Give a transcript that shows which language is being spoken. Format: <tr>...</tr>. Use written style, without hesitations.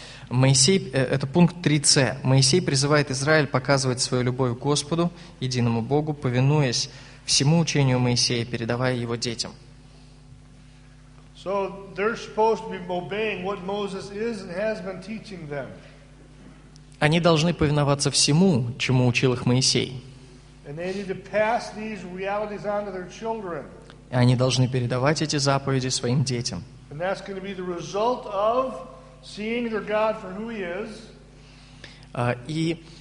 <ru>Моисей, это пункт 3c. Моисей призывает Израиль показывать свою любовь к Господу, единому Богу, повинуясь всему учению Моисея, передавая его детям.</ru> <en>So they're supposed to be obeying what Moses is and has been teaching them.</en> <ru>Они должны повиноваться всему, чему учил их Моисей.</ru> <en>And they need to pass these realities on to their children.</en> <ru>И они должны передавать эти заповеди своим детям.</ru> <en>And that's going to be the result of seeing their God for who He is.</en>